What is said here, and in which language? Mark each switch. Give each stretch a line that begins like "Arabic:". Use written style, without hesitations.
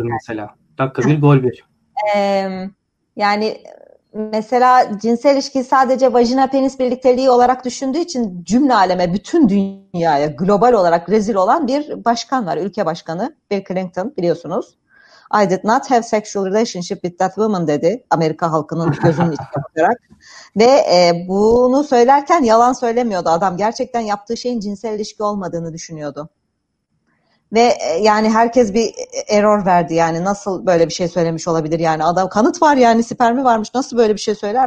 Turkish: sanıyordum mesela. Dakika bir, gol bir. Yani mesela cinsel ilişki sadece vajina penis birlikteliği olarak düşündüğü için cümle aleme, bütün dünyaya global olarak rezil olan bir başkan var. Ülke başkanı Bill Clinton, biliyorsunuz.
English: I did not have sexual relationship with that woman
Turkish: dedi. Amerika halkının gözünün içine bakarak. Ve bunu söylerken yalan söylemiyordu adam. Gerçekten yaptığı şeyin cinsel ilişki olmadığını düşünüyordu. Ve yani herkes bir error verdi. Yani nasıl böyle bir şey söylemiş olabilir? Yani adam kanıt var, yani spermi varmış. Nasıl böyle bir şey söyler?